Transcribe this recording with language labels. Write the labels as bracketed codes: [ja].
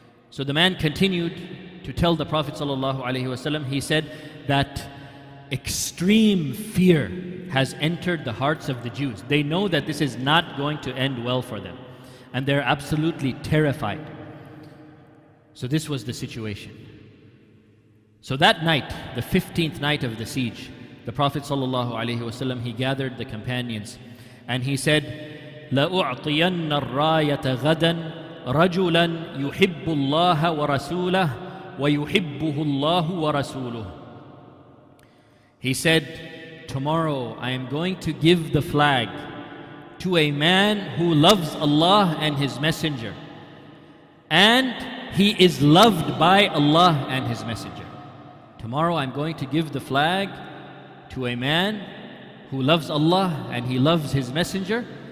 [en] So the man continued to tell the Prophet ﷺ, he said that extreme fear has entered the hearts of the Jews. They know that this is not going to end well for them. And they're absolutely terrified. So this was the situation. So that night, the 15th night of the siege, the Prophet ﷺ, he gathered the companions. And he said, [ar] لَأُعْطِيَنَّ الرَّايَةَ غَدًا رَجُلًا يُحِبُّ اللَّهَ وَرَسُولَهُ وَيُحِبُّهُ اللَّهُ وَرَسُولُهُ. [en] He said, "Tomorrow I am going to give the flag to a man who loves Allah and His Messenger. And he is loved by Allah and His Messenger. Tomorrow I'm going to give the flag to a man who loves Allah and he loves His Messenger.